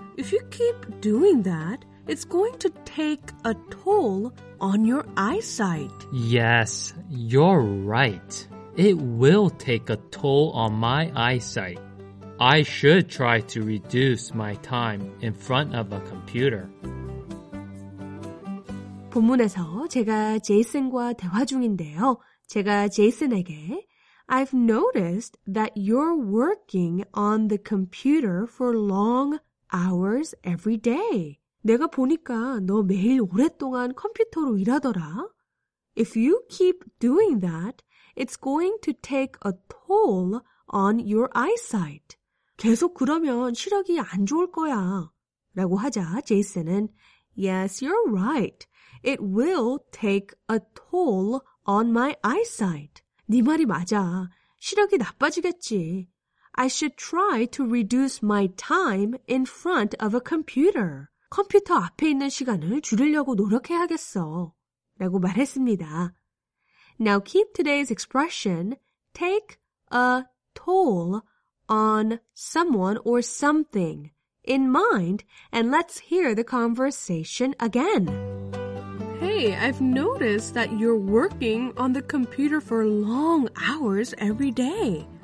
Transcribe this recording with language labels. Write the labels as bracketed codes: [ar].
[en] If you keep doing that, it's going to take a toll on your eyesight. Yes, you're right. It will take a toll on my eyesight. I should try to reduce my time in front of a computer. [ko] 본문에서 제가 제이슨과 대화 중인데요. 제가 제이슨에게 [en] I've noticed that you're working on the computer for long hours every day. [ko] 내가 보니까 너 매일 오랫동안 컴퓨터로 일하더라. [en] If you keep doing that, it's going to take a toll on your eyesight. [ko] 계속 그러면 시력이 안 좋을 거야. 라고 하자 제이슨은 [en] Yes, you're right. It will take a toll on my eyesight. [ko] 네 말이 맞아. 시력이 나빠지겠지. [en] I should try to reduce my time in front of a computer. [ko] 컴퓨터 앞에 있는 시간을 줄이려고 노력해야겠어. 라고 말했습니다. [en] Now keep today's expression, take a toll on someone or something in mind, and let's hear the conversation again. Hey, I've noticed that you're working on the computer for long hours every day.